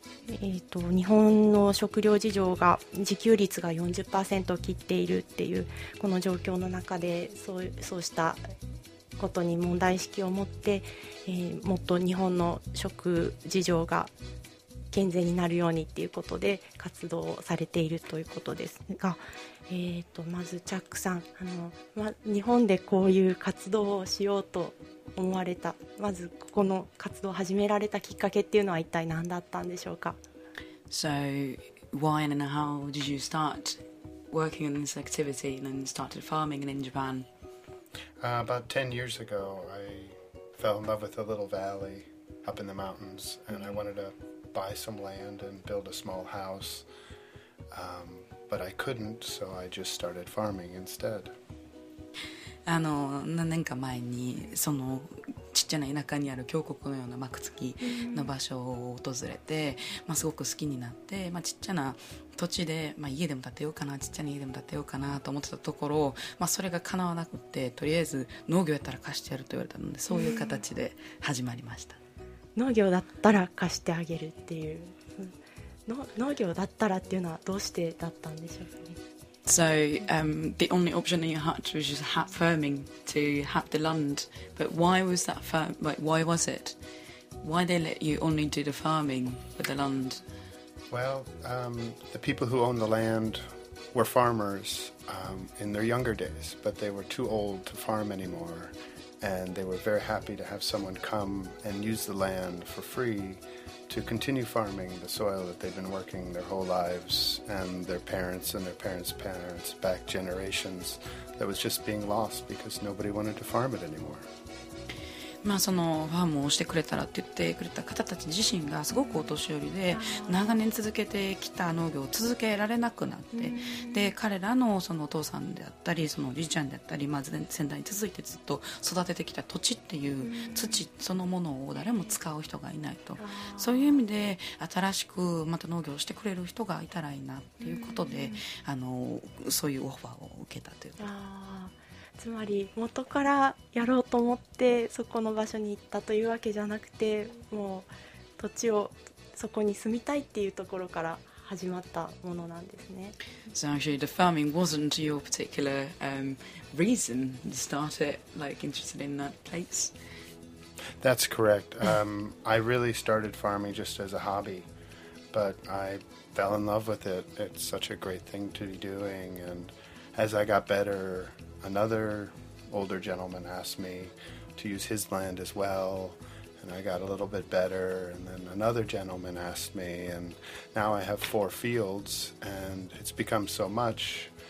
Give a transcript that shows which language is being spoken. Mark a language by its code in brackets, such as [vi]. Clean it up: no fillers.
[ja] 日本の食料事情が自給率が 40% を切っているっていうこの状況の中で、そうしたことに問題意識を持って、もっと日本の食事情が健全になるようにっていうことで活動をされているということですが、まずチャックさん、日本でこういう活動をしようと思われた、まずここの活動を始められたきっかけっていうのは一体何だったんでしょうか。 [en] So why and how did you start working on this activity and started farming in Japan? About 10 years ago I fell in love with a little valley up in the mountains and I wanted to buy some land and build a small house. But I couldn't, so I just started farming instead. [ja] 何年か前にそのちっちゃな田舎にある峡谷のような朽木の場所を訪れて、すごく好きになって、ちっちゃな土地で、家でも建てようかな、ちっちゃな家でも建てようかなと思ってたところ、それが叶わなくて、とりあえず農業やったら貸してやると言われたので、そういう形で始まりました。農業だったら貸してあげるっていう、農業だったらっていうのはどうしてだったんでしょうかね。 [en] So、the only option that you had was just have farming to have the land. But why was that farm? Why was it? Why they let you only do the farming with the land? Well,、the people who owned the land were farmers、in their younger days, but they were too old to farm anymore. And they were very happy to have someone come and use the land for free to continue farming the soil that they've been working their whole lives and their parents' parents back generations that was just being lost because nobody wanted to farm it anymore. [ja] そのファームをしてくれたらって言ってくれた方たち自身がすごくお年寄りで、長年続けてきた農業を続けられなくなって、で彼ら そのお父さんであったり、そのおじいちゃんであったり、先代に続いてずっと育ててきた土地っていう土そのものを誰も使う人がいないと、そういう意味で新しくまた農業をしてくれる人がいたらいいなっていうことで、そういうオファーを受けたというか、つまり元からやろうと思ってそこの場所に行ったというわけじゃなくて、もう土地をそこに住みたいっていうところから始まったものなんですね。 [en] So actually the farming wasn't your particular、reason to start it, like interested in that place? That's correct.、I really started farming just as a hobby, but I fell in love with it. It's such a great thing to be doing, and as I got betterAnother older gentleman asked me to use his land as well, and I got a little bit better, and then another gentleman asked me, and now I have four fields, and it's become so much